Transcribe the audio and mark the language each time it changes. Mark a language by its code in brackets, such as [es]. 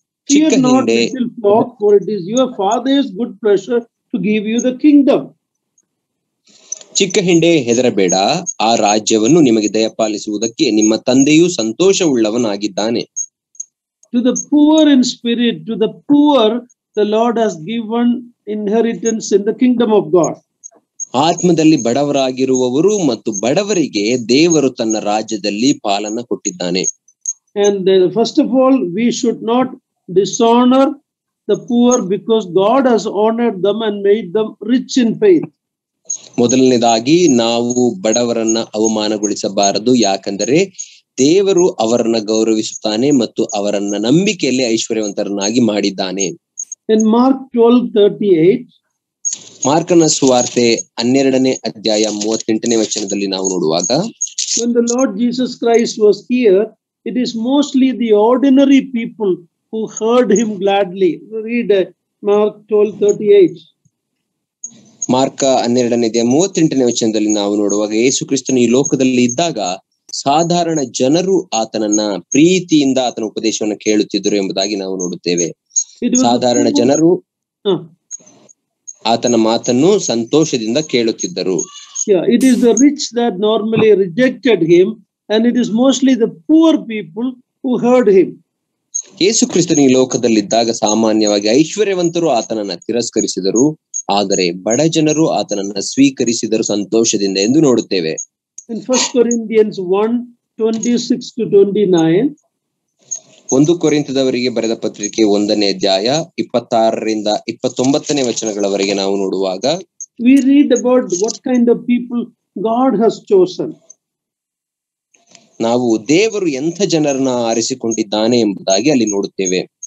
[en] Fear not, little flock, for it is your father's good pleasure to give you the kingdom. [kn] ಚಿಕ್ಕ ಹಿಂಡೆ, ಹೆದರಬೇಡ, ಆ ರಾಜ್ಯವನ್ನು ನಿಮಗೆ ದಯಪಾಲಿಸುವುದಕ್ಕೆ ನಿಮ್ಮ ತಂದೆಯು ಸಂತೋಷವುಳ್ಳವನಾಗಿದ್ದಾನೆ. [en] To the poor in spirit, to the poor, the Lord has given inheritance in the kingdom of God. [kn] ಆತ್ಮದಲ್ಲಿ ಬಡವರಾಗಿರುವವರು ಮತ್ತು ಬಡವರಿಗೆ ದೇವರು ತನ್ನ ರಾಜ್ಯದಲ್ಲಿ ಪಾಲನ್ನು ಕೊಟ್ಟಿದ್ದಾನೆ. [en] And first of all, we should not dishonor the poor because God has honored them and made them rich in faith. [kn] ಮೊದಲನೇದಾಗಿ ನಾವು ಬಡವರನ್ನ ಅವಮಾನಗೊಳಿಸಬಾರದು, ಯಾಕಂದರೆ ದೇವರು ಅವರನ್ನ ಗೌರವಿಸುತ್ತಾನೆ ಮತ್ತು ಅವರನ್ನ ನಂಬಿಕೆಯಲ್ಲಿ ಐಶ್ವರ್ಯವಂತರನ್ನಾಗಿ ಮಾಡಿದ್ದಾನೆ. [en] In Mark 12:38 [kn] ಮಾರ್ಕನ ಸುವಾರ್ತೆ 12:38 ನಾವು ನೋಡುವಾಗ, [en] When the Lord Jesus Christ was here, it is mostly the ordinary people who heard him gladly. Read Mark 12:38. [kn] Mark 12:38 ನಾವು ನೋಡುವಾಗ, ಯೇಸು ಕ್ರಿಸ್ತನು ಈ ಲೋಕದಲ್ಲಿ ಇದ್ದಾಗ ಸಾಧಾರಣ ಜನರು ಆತನನ್ನ ಪ್ರೀತಿಯಿಂದ ಆತನ ಉಪದೇಶವನ್ನು ಕೇಳುತ್ತಿದ್ದರು ಎಂಬುದಾಗಿ ನಾವು ನೋಡುತ್ತೇವೆ. ಸಾಧಾರಣ ಜನರು ಆತನ ಮಾತನ್ನು ಸಂತೋಷದಿಂದ ಕೇಳುತ್ತಿದ್ದರು. [en] It is the rich that normally rejected him and it is mostly the poor people who heard him. [kn] ಯೇಸು ಕ್ರಿಸ್ತನು ಈ ಲೋಕದಲ್ಲಿದ್ದಾಗ ಸಾಮಾನ್ಯವಾಗಿ ಐಶ್ವರ್ಯವಂತರು ಆತನನ್ನ ತಿರಸ್ಕರಿಸಿದರು, ಆದರೆ ಬಡ ಜನರು ಆತನನ್ನ ಸ್ವೀಕರಿಸಿದರು ಸಂತೋಷದಿಂದ ಎಂದು ನೋಡುತ್ತೇವೆ. [en] In 1 Corinthians 1:26-29 [kn] ಒಂದು ಕೊರಿಂಥದವರಿಗೆ ಬರೆದ ಪತ್ರಿಕೆ 1:26-29 ನಾವು ನೋಡುವಾಗ, [en] we read about what kind of people God has chosen. [kn] ನಾವು ದೇವರು ಎಂಥ ಜನರನ್ನ ಆರಿಸಿಕೊಂಡಿದ್ದಾನೆ ಎಂಬುದಾಗಿ ಅಲ್ಲಿ ನೋಡುತ್ತೇವೆ.